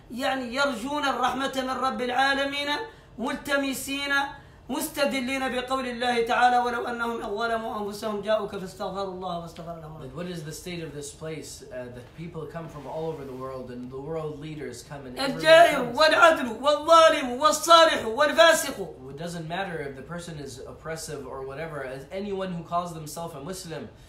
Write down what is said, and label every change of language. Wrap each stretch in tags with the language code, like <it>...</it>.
<ar>يعني يرجون الرحمة من رب العالمين ملتمسين مستدلين بقول الله تعالى ولو أنهم ظلموا أنفسهم جاءوك فاستغفروا الله واستغفر لهم.</ar> <en>But what is the state of this place that people come from all over the world and the world leaders come and</en> <ar>الجائر والعدل والظالم والصالح والفاسق.</ar> <en>It doesn't matter if the person is oppressive or whatever, as anyone who calls themselves a Muslim.</en>